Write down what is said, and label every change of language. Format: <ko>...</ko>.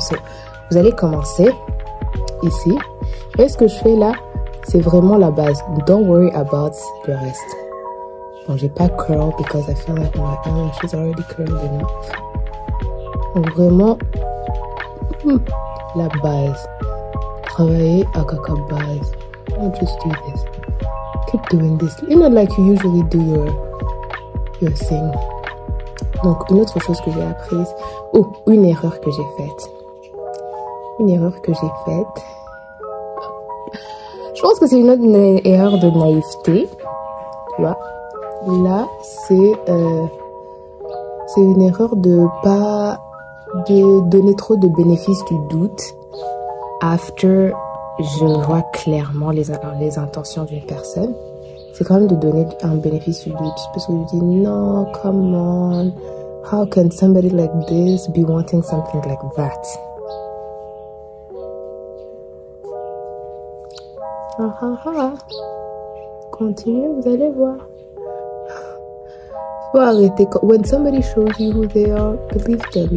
<fr>So vous allez commencer ici et ce que je fais là c'est vraiment la base.</fr> <en>Don't worry about the rest.</en> <fr>Bon, j'ai pas</fr> <en>curl because I feel like my eyelashes are already curled enough.</en> <fr>Donc vraiment la base, travailler à caca base.</fr> <en>I'll just do this, keep doing this, you know, like you usually do your thing.</en> <fr>Donc, une autre chose que j'ai apprise, ou une erreur que j'ai faite. Une erreur que j'ai faite. Je pense que c'est une autre erreur de naïveté. Tu vois? Là, c'est une erreur de pas de donner trop de bénéfices du doute after je vois clairement les intentions d'une personne. C'est quand même de donner un bénéfice du doute. Parce que je dis, non,</fr> <en>come on. How can somebody like this be wanting something like that?</en> <fr>Ah ah ah. Continue, vous allez voir. Faut arrêter.</fr> <en>When somebody shows you who they are, believe them.</en>